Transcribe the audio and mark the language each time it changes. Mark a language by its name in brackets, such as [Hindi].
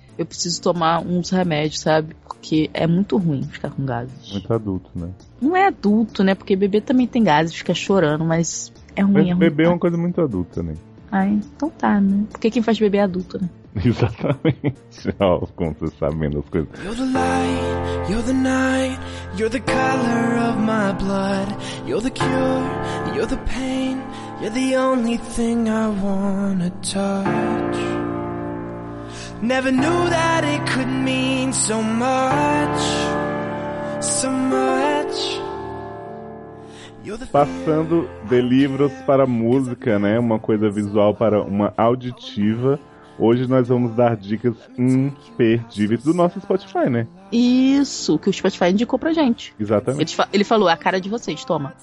[Portuguese] Eu preciso tomar uns remédios, sabe, porque é muito ruim ficar com gases. Muito adulto, né? Não é adulto, né, porque bebê também tem gases, fica chorando, mas é ruim. Mas bebê é uma coisa muito adulta, né? Ai, então tá, né? Porque quem faz bebê é adulto, né? Exatamente. Olha como você sabe menos as coisas. [English] You're the light, you're the night, you're the color of my blood. You're the cure, you're the pain, you're the only thing I wanna touch. Never knew that it could mean so much, so much. [Portuguese] Passando de livros para música, né? Uma coisa visual para uma auditiva. Hoje nós vamos dar dicas imperdíveis do nosso Spotify, né? Isso, que o Spotify indicou pra gente. Exatamente. Ele falou, é a cara de vocês, toma.